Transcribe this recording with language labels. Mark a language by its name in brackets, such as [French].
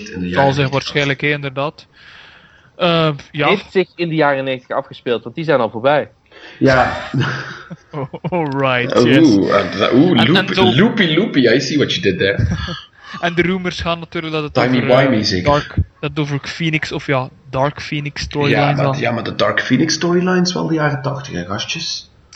[Dutch] Zal zich waarschijnlijk inderdaad. Heeft zich in de jaren 90 afgespeeld, want die zijn al voorbij. Ja. [English] Alright, yes. Loopy, I see what you did there. [Dutch] En de rumors gaan natuurlijk dat het over Phoenix of ja, Dark Phoenix storylines. Ja, maar de Dark Phoenix storylines wel de jaren 80, hè, gastjes.